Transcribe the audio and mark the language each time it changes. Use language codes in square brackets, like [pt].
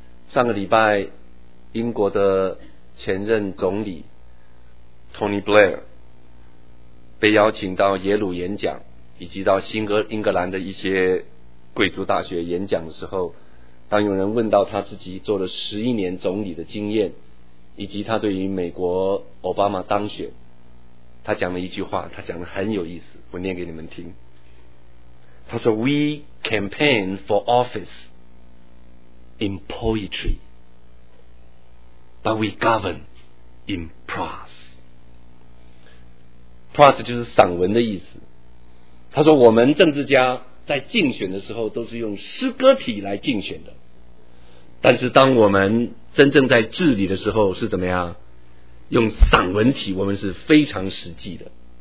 [zh] 上个礼拜，英国的前任总理 Tony Blair被邀请到耶鲁演讲，以及到新英格兰的一些贵族大学演讲的时候，当有人问到他自己做了11年总理的经验，以及他对于美国奥巴马当选，他讲了一句话，他讲得很有意思，我念给你们听。他说 [en] We campaign for office in poetry but we govern in prose。 [zh] Prose 就是散文的意思。他说我们政治家在竞选的时候都是用诗歌体来竞选的，但是当我们真正在治理的时候是怎么样，用散文体，我们是非常实际的。